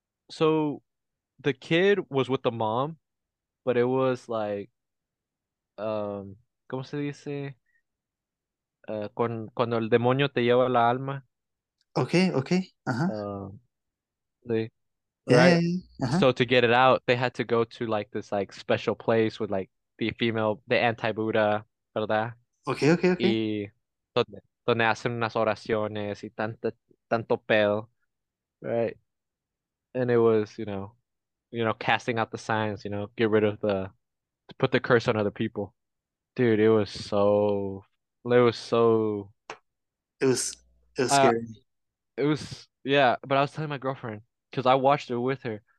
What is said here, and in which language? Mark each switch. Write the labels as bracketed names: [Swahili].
[English] So the kid was with the mom, but it was like. [Spanish] ¿Cómo se dice? Cuando el demonio te lleva la alma. [English] Okay. See, right? So to get it out, they had to go to like this like special place with like the female, the anti-Buddha, ¿verdad? [Spanish] Y donde, donde hacen unas oraciones y tanto, tanto pedo, right? [English] And it was, casting out the signs, get rid of the, to put the curse on other people. Dude, it was so, It was scary. it was, yeah, but I was telling my girlfriend, because I watched it with her.